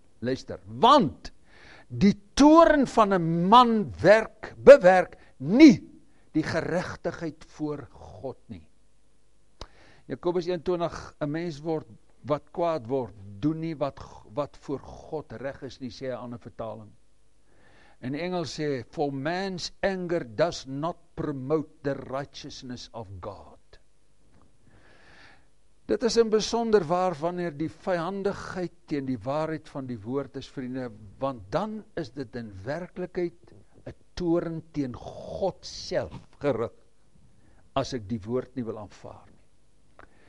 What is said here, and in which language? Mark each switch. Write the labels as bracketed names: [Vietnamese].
[Afrikaans] Luister, want die toorn van 'n man bewerk nie die geregtigheid voor God nie. Jakobus 1:20, 'n mens word wat kwaad word, doen nie wat voor God reg is nie, sê hy aan 'n vertaling. In Engels sê, [English] for man's anger does not promote the righteousness of God. [Afrikaans] Dit is in besonder waar wanneer die vyandigheid teen die waarheid van die woord is, vriende, want dan is dit in werklikheid 'n toren teen God self gerig, as ek die woord nie wil aanvaar nie.